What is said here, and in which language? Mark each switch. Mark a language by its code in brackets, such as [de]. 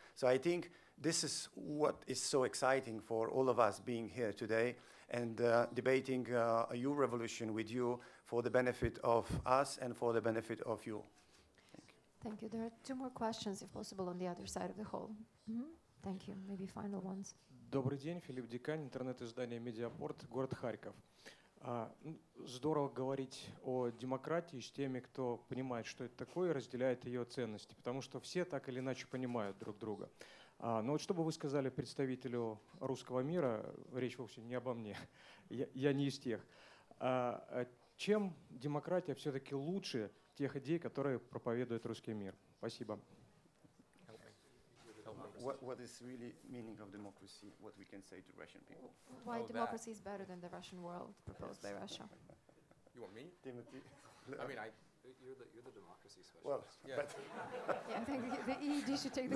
[en] So I think this is what is so exciting for all of us being here today and debating a new revolution with you for the benefit of us and for the benefit of you. Thank you. There are two more questions, if possible, on the other side of the hall. Mm-hmm. Thank you. Maybe final ones. [ru] Добрый день, Филипп Дикань, интернет-издание «Медиапорт», город Харьков. Здорово говорить о демократии с теми, кто понимает, что это такое, и разделяет ее ценности, потому что все так или иначе понимают друг друга. Но вот что бы вы сказали представителю русского мира, речь вовсе не обо мне, я не из тех, чем демократия все-таки лучше тех идей, которые проповедует русский мир? Спасибо. [en] What is really meaning of democracy, what we can say to Russian people? Why democracy is better than the Russian world proposed by Russia. You want me? Timothy. You're the democracy specialist. Well, yeah. But yeah, I think the EED should take the